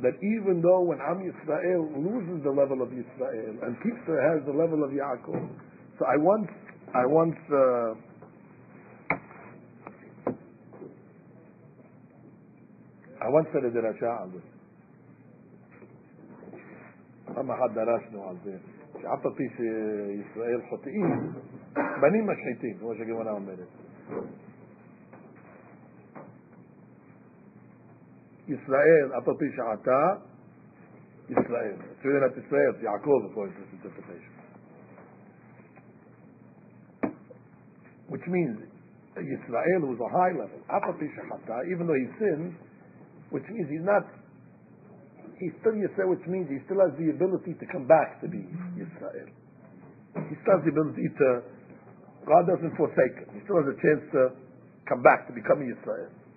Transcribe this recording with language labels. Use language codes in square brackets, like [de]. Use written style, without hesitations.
[en] That even though when Am Yisrael loses the level of Yisrael and keeps it has the level of Yaakov. So I once said a derasha on this. [he] Am ahad darashnu al zeh. שאף על פי שישראל חוטאים, בנים משחיתים, כמו שהגמרא אומרת. ישראל, אף על פי שעתה, ישראל. אפילו לדעת ישראל, זה יעקב, [en] according to the interpretation. Which means, ישראל was a high level. [he] אף על פי שחטא, [en] even though he sinned, which means he's not... He still Yisrael, which means he still has the ability to come back to be Yisrael. He still has the ability to, God doesn't forsake him. He still has a chance to come back to becoming Yisrael.